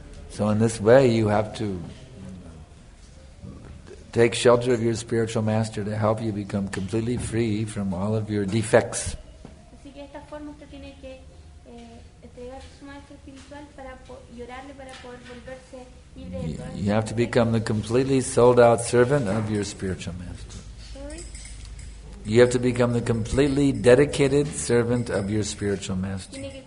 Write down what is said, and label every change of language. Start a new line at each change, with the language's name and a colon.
English: So in this way you have to take shelter of your spiritual master to help you become completely free from all of your defects.
Spanish: Así que de esta forma usted tiene que entregar su maestro espiritual para llorarle para poder volverse libre de todo.
English: You have to become the completely sold out servant of your spiritual master. Sorry? You have to become the completely dedicated servant of your spiritual master.